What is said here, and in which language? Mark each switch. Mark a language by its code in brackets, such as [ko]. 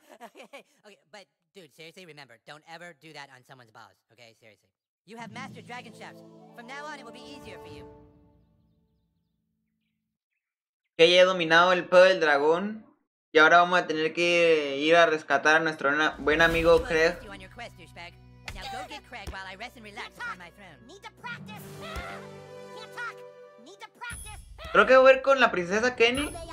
[en] Okay, but dude, seriously, remember, don't ever do that on someone's balls, okay? Seriously. You have mastered dragon shouts. From now on, it will be easier for you. [es] Que ya he dominado el poder del dragón. Y ahora vamos a tener que ir a rescatar a nuestro buen amigo Craig. [en] You on your quest, douchebag. Now go get Craig while I rest and relax on my throne. Need to practice. Can't talk. Need to practice. [es] Creo que voy a ver con la princesa Kenny.